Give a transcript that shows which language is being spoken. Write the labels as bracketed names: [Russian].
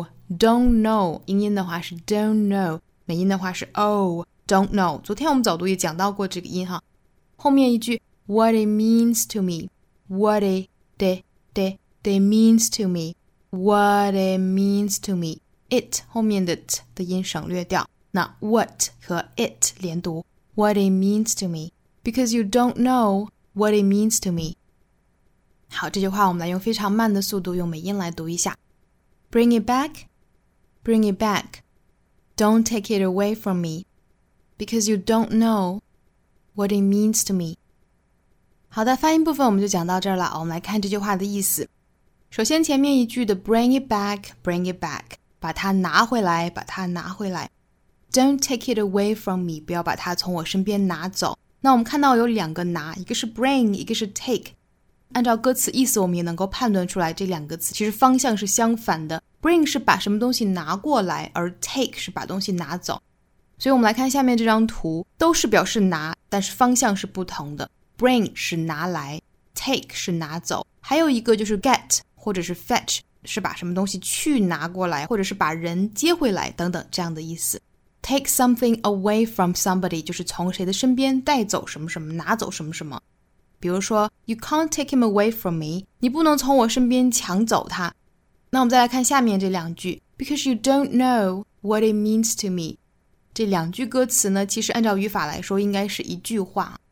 [Chinese] Don't know, 英音的话是 don't know, 美音的话是 oh. [English] Don't know. [Chinese] 昨天我们早读也讲到过这个音哈。后面一句 [English] What it means to me. What it means to me. What it means to me. [Chinese] It 后面的 t 的音省略掉。那 what 和 it 连读 [English] What it means to me. Because you don't know what it means to me. [Chinese] 好，这句话我们来用非常慢的速度用美音来读一下。 [English] Bring it back. Bring it back. Don't take it away from me. Because you don't know what it means to me. [Chinese] 好的，发音部分我们就讲到这儿了。我们来看这句话的意思。首先前面一句的 [English] bring it back, [Chinese] 把它拿回来，把它拿回来。 [English] Don't take it away from me, [Chinese] 不要把它从我身边拿走。那我们看到有两个拿，一个是 bring, 一个是 take。按照歌词意思我们也能够判断出来，这两个词其实方向是相反的。 Bring 是把什么东西拿过来，而 take 是把东西拿走。所以我们来看下面这张图，都是表示拿，但是方向是不同的。 Bring 是拿来， take 是拿走，还有一个就是 get 或者是 fetch 是把什么东西去拿过来，或者是把人接回来等等这样的意思。 [English] Take something away from somebody [Chinese] 就是从谁的身边带走什么什么，拿走什么什么。比如说 [English] You can't take him away from me， [Chinese] 你不能从我身边抢走他。那我们再来看下面这两句， [English] Because you don't know what it means to me。 [Chinese] 这两句歌词呢，其实按照语法来说应该是一句话。